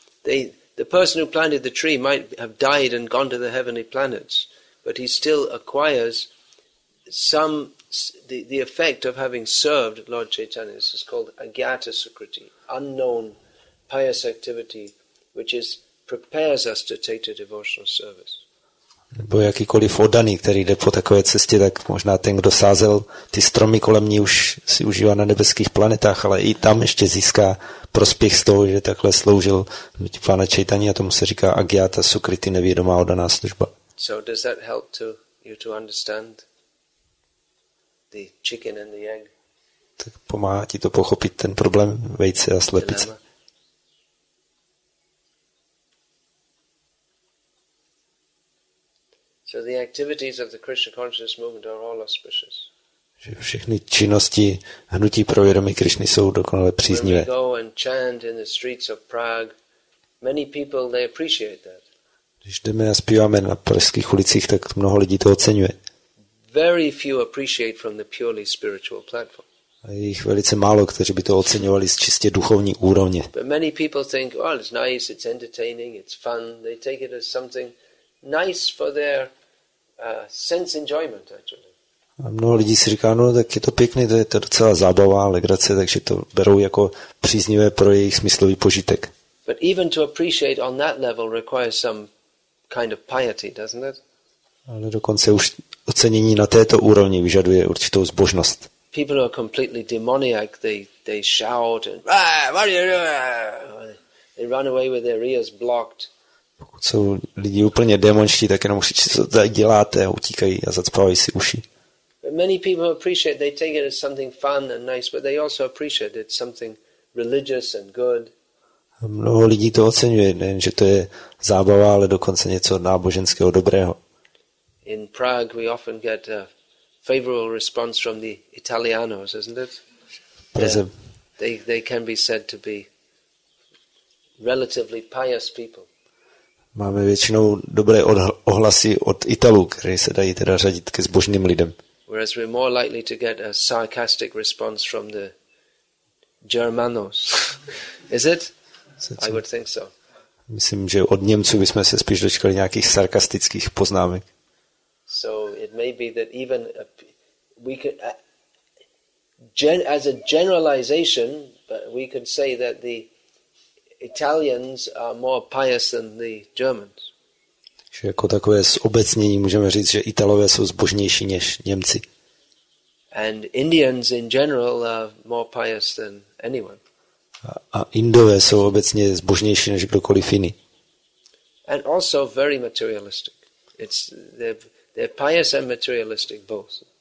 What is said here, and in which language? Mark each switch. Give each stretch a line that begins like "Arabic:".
English: The person who planted the tree might have died and gone to the heavenly planets, but he still acquires the effect of having served Lord Chaitanya. This is called agyata sukriti, unknown pious activity, which is prepares us to take the devotional service.
Czech: Nebo jakýkoliv oddaný, který jde po takové cestě, tak možná ten, kdo sázel ty stromy kolem ní, už si užívá na nebeských planetách, ale i tam ještě získá prospěch z toho, že takhle sloužil pána Chaitanya, a tomu se říká agyata sukriti, nevědomá oddaná služba.
English: So does that help to you to understand the chicken and the egg?
Czech: Tak pomáhá ti to pochopit ten problém vejce a slepice. Dilema.
English: So the activities of the Krishna consciousness movement are all auspicious.
Czech: Že všechny činnosti hnutí pro vědomí Krishny jsou dokonale příznivé.
English: When we go and chant in the streets of Prague, many people they appreciate that.
Czech: Když jdeme a zpíváme na pražských ulicích, tak mnoho lidí to oceňuje.
English: very few appreciate from the purely spiritual platform.
Czech: Jich velice málo, kteří by to oceňovali z čistě duchovní úrovně.
English: But many people think, well, it's nice, it's entertaining, it's fun. They take it as something nice for their sense enjoyment, actually.
Czech: A mnoho lidí si říká, no, tak je to pěkný, to je to docela zábava, legrace, takže to berou jako příznivé pro jejich smyslový požitek.
English: But even to appreciate on that level requires some kind of piety, doesn't it?
Czech: Ale dokonce už ocenění na této úrovni vyžaduje určitou zbožnost.
English: People who are completely demoniac, they shout and what are you doing? They run away with their ears blocked.
Czech: Pokud jsou lidi úplně démonští, tak jenom říct, co tady děláte, utíkají a zacpávají si uši.
English: But many people appreciate, they take it as something fun and nice, but they also appreciate it's something religious and good.
Czech: A mnoho lidí to oceňuje, nejen, že to je zábava, ale dokonce něco náboženského dobrého.
English: In Prague we often get a favorable response from the Italianos, isn't it? They can be said to be relatively pious people.
Czech: Máme většinou dobré ohlasy od Italů, kteří se dají teda řadit ke zbožným lidem.
English: Whereas we're more likely to get a sarcastic response from the Germanos. Is it? I would think so.
Czech: Myslím, že od Němců bychom se spíš dočkali nějakých sarkastických poznámek.
English: So it may be that even we could as a generalization, but we could say that the Italians are more pious than the Germans.
Czech: Že jako takové zobecnění můžeme říct, že Italové jsou zbožnější než Němci.
English: And Indians in general are more pious than anyone.
Czech: A Indové jsou obecně zbožnější než kdokoliv jiný.
English: And also very materialistic. They're pious and materialistic both.